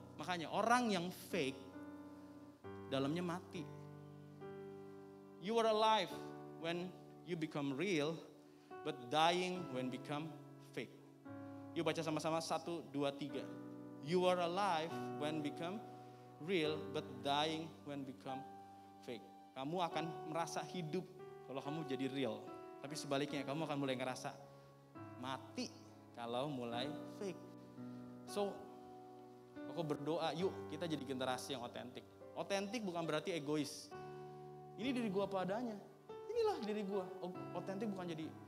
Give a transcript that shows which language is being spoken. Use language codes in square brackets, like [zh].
[id] Makanya orang yang fake, dalamnya mati. [en] You are alive when you become real, but dying when become fake. [id] Yuk baca sama-sama, [en] 1, 2, 3. You are alive when become real, but dying when become fake. [id] Kamu akan merasa hidup kalau kamu jadi real. Tapi sebaliknya, kamu akan mulai ngerasa mati kalau mulai fake. So, aku berdoa, yuk kita jadi generasi yang otentik. Otentik bukan berarti egois. Ini diri gua apa adanya. Inilah diri gua. Otentik bukan jadi...